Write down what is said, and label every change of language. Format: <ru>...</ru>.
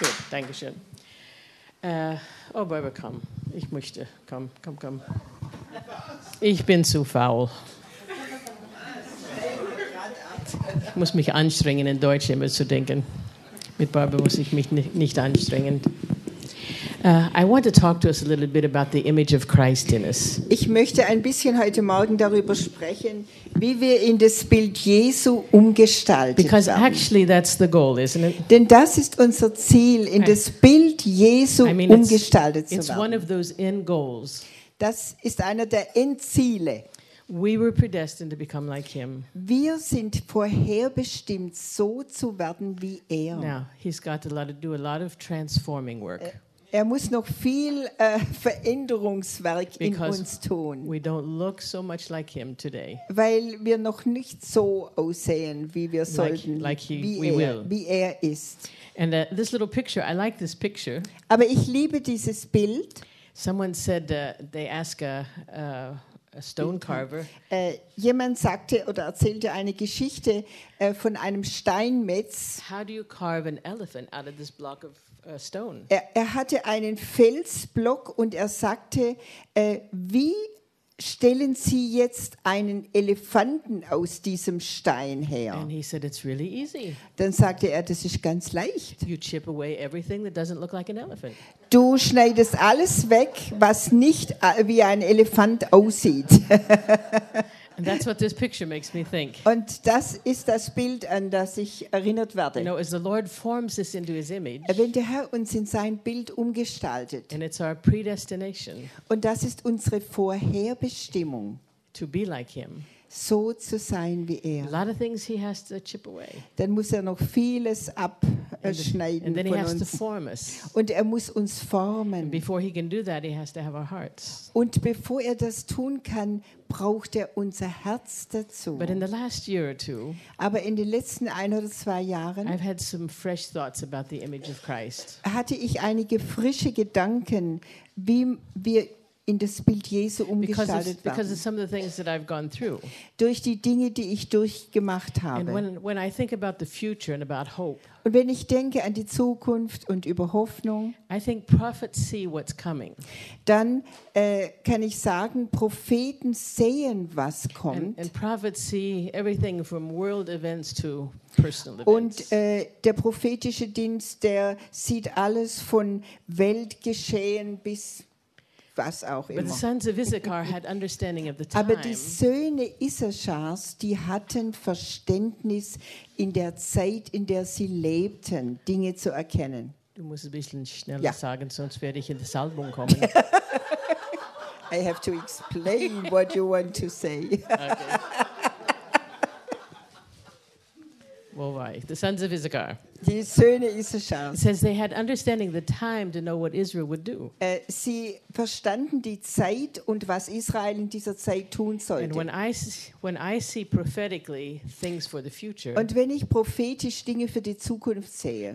<de>Dankeschön. Barbara, komm. Ich möchte. Komm. Ich bin zu faul. Ich muss mich anstrengen, in Deutsch immer zu denken. Mit Barbara muss ich mich nicht anstrengen.</de> <en>I want to talk to us a little bit about the image of Christ in us.</en> <de>Ich möchte ein bisschen heute Morgen darüber sprechen, wie wir in das Bild Jesu umgestaltet</de> <en>Because</en> <de>haben.</de> <en>Because actually that's the goal, isn't it?</en> <de>Denn das ist unser Ziel, in das Bild Jesu umgestaltet</de> <en>it's</en> <de>zu werden.</de> <en>It's one of those end goals.</en> <de>Das ist einer der Endziele.</de> <en>We were predestined to become like him.</en> <de>Wir sind vorherbestimmt, so zu werden wie er.</de> <en>Now, he's got to do a lot of transforming work.</en> <de>Er muss noch viel Veränderungswerk</de> <en>Because</en> <de>in uns tun.</de> <en>We don't look so much like him today.</en> <de>Weil wir noch nicht so aussehen, wie wir sollten, wie er ist.</de> <en>And this little picture, I like this picture.</en> <de>Aber ich liebe dieses Bild.</de> <en>Someone said they ask a stone carver.</en> <de>Jemand sagte oder erzählte eine Geschichte von einem Steinmetz.</de> <en>How do you carve an elephant out of this block of stone.</en> <de>Er hatte einen Felsblock und er sagte, wie stellen Sie jetzt einen Elefanten aus diesem Stein her?</de> <en>And he said, it's really easy.</en> <de>Dann sagte er, das ist ganz leicht.</de> <en>You chip away everything that doesn't look like an elephant.</en> <de>Du schneidest alles weg, was nicht wie ein Elefant aussieht.</de> <en>And that's what this picture makes me think.</en> <de>Und das ist das Bild, an das ich erinnert werde.</de> <en>You know, as the Lord forms us into his image,</en> <de>wenn der Herr uns in sein Bild umgestaltet,</de> <en>and it's our predestination,</en> <de>und das ist unsere Vorherbestimmung,</de> <en>to be like him,</en> <de>so zu sein wie er,</de> <en>a lot of things he has to chip away.</en> <de>Dann muss er noch vieles abschneiden</de> <en>and then</en> <de>von</de> <en>he has</en> <de>uns.</de> <en>To form us.</en> <de>Und er muss uns formen.</de> <en>And before he can do that, he has to have our hearts.</en> <de>Und bevor er das tun kann, braucht er unser Herz dazu.</de> <en>But in the last year or two,</en> <de>aber in den letzten ein oder zwei Jahren,</de> <en>I've had some fresh thoughts about the image of Christ.</en> <de>Hatte ich einige frische Gedanken, wie wir in das Bild Jesu umgestaltet</de> <en>because of some of the things that I've gone through.</en> <de>Durch die Dinge, die ich durchgemacht habe.</de> <en>And when I think about the future and about hope,</en> <de>und wenn ich denke an die Zukunft und über Hoffnung,</de> <en>I think prophets see what's coming.</en> <de>Dann kann ich sagen, Propheten sehen, was kommt.</de> <en>And prophets see everything from world events to personal events.</en> <de>Und der prophetische Dienst, der sieht alles von Weltgeschehen bis was auch immer.</de> <en>But the sons of Issachar had understanding of the time.</en> <de>Aber die Söhne Issachars, die hatten Verständnis in der Zeit, in der sie lebten, Dinge zu erkennen. Du musst ein bisschen schneller ja. sagen, sonst werde ich in die Salbung kommen.</de> <en>I have to explain what you want to say. Okay. Well, why? The sons of Issachar.</en> <de>Die Söhne Issachar.</de> <en>Says they had understanding the time to know what Israel would do.</en> <de>Sie verstanden die Zeit und was Israel in dieser Zeit tun sollte.</de> <en>And when I see prophetically things for the future.</en> <de>Und wenn ich prophetisch Dinge für die Zukunft sehe.</de>